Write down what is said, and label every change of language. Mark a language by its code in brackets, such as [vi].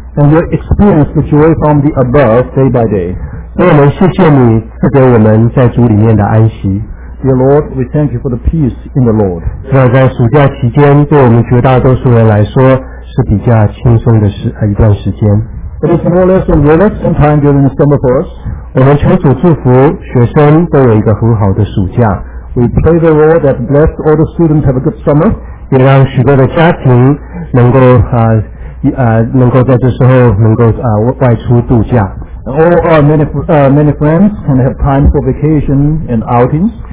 [en] And we experience the joy from the above day by day. [zh] 所以我们谢谢你赐给我们在主里面的安息。 [en] Dear Lord, we thank you for the peace in the Lord. [zh] 所以在暑假期间对我们绝大多数人来说是比较轻松的一段时间。 [en] It is more or less a relaxing time during the summer for us. [zh] 我们求主祝福学生都有一个很好的暑假。 [en] We pray the Lord that bless all the students have a good summer. [zh] 也让许多的家庭能够在这时候外出度假。 [en] All our many friends can have time for vacation and outings.